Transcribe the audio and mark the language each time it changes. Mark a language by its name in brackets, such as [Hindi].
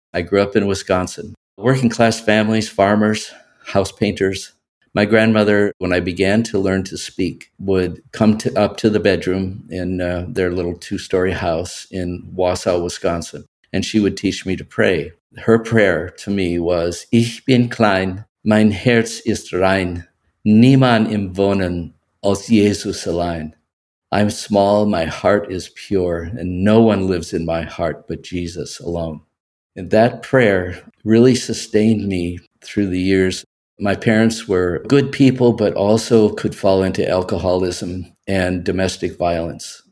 [English] I grew up in Wisconsin. Working class families, farmers, house painters. My grandmother, when I began to learn to speak, would come up to the bedroom in their little two-story house in Wausau, Wisconsin, and she would teach me to pray. Her prayer to me was, [German] Ich bin klein, mein Herz ist rein, niemand im Wohnen als Jesus allein. [English] I'm small, my heart is pure, and no one lives in my heart but Jesus alone. And that prayer really sustained me through the years. My parents were good people, but also could fall into alcoholism and domestic violence.